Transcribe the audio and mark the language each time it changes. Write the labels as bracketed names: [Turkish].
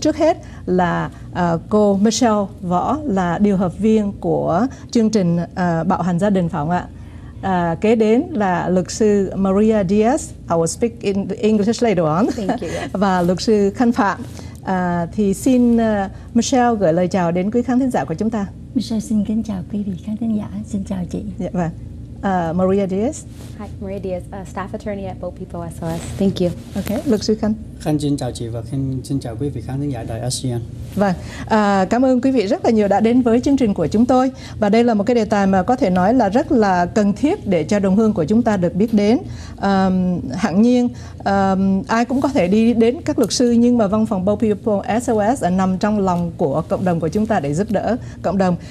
[Vietnamese] Trước hết là cô Michelle Võ, là điều hợp viên của chương trình bạo hành gia đình, phải không ạ? Kế đến là luật sư [English] Maria Diaz, I will speak in English later on. Thank you. [Vietnamese] Và luật sư Khanh Phạm. Thì xin Michelle gửi lời chào đến quý khán thính giả của chúng ta. Michelle xin kính chào quý vị khán thính giả. Xin chào chị. Dạ vâng. Maria Diaz. [English] Hi, Maria Diaz, staff attorney at Bold People SOS. Thank you. [Vietnamese] Okay, luật sư Khanh. Khanh xin chào chị và Khanh xin chào quý vị khán thính giả đài ASEAN. Vâng, cảm ơn quý vị rất là nhiều đã đến với chương trình của chúng tôi. Và đây là một cái đề tài mà có thể nói là rất là cần thiết để cho đồng hương của chúng ta được biết đến. Hẳn nhiên, ai cũng có thể đi đến các luật sư, nhưng mà văn phòng Bold People SOS nằm trong lòng của cộng đồng của chúng ta để giúp đỡ cộng đồng.